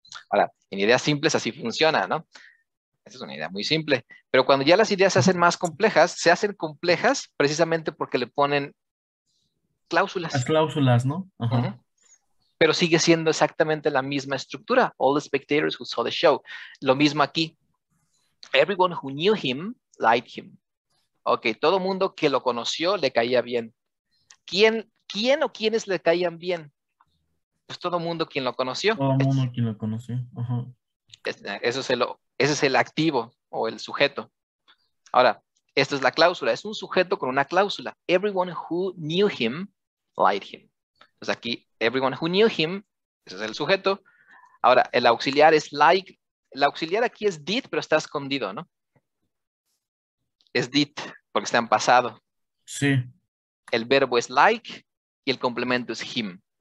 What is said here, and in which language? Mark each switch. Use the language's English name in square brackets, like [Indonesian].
[Spanish] Ahora, en ideas simples así funciona, ¿no? Esa es una idea muy simple. Pero cuando ya las ideas se hacen más complejas, se hacen complejas precisamente porque le ponen cláusulas. Las cláusulas, ¿no? Ajá. Pero sigue siendo exactamente la misma estructura. [English] All the spectators who saw the show. [Spanish] Lo mismo aquí. [English] Everyone who knew him, liked him. [Spanish] Ok, todo mundo que lo conoció le caía bien. ¿Quién o quiénes le caían bien? Pues todo mundo quien lo conoció. Todo mundo quien lo conoció. Ese es el activo o el sujeto. Ahora, esta es la cláusula. Es un sujeto con una cláusula. [English] Everyone who knew him, liked him. [Spanish] Pues aquí, [English] everyone who knew him, [Spanish] ese es el sujeto. Ahora, el auxiliar es like. El auxiliar aquí es did, pero está escondido, ¿no? Es did, porque está en pasado. Sí. El verbo es like y el complemento es him.